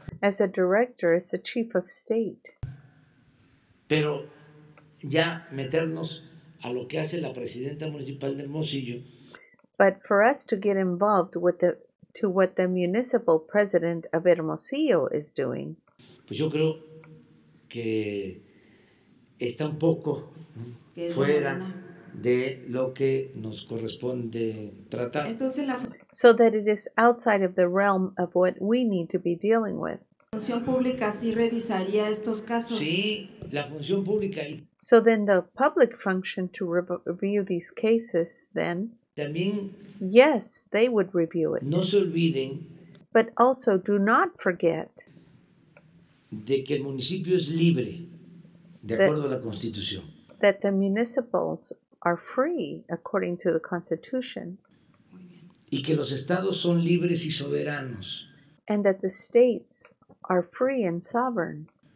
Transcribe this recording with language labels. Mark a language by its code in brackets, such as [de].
[en] as a director, as the chief of state. [es] Pero ya meternos a lo que hace la presidenta municipal de Hermosillo. [en] But for us to get involved with the to what the municipal president of Hermosillo is doing. [es] Pues yo creo que está un poco fuera de lo que nos corresponde tratar. Entonces, la... [en] So that it is outside of the realm of what we need to be dealing with. [es] La función pública sí revisaría estos casos. Sí, la función pública. [en] So then the public function to review these cases then. [es] También. [en] Yes, they would review it. [es] No se olviden. [en] But also do not forget. [es] De que el municipio es libre, de acuerdo a la Constitución. [en] That the municipals are free according to the Constitution. [es] Y que los estados son libres y soberanos. [en] And that the states are free and sovereign.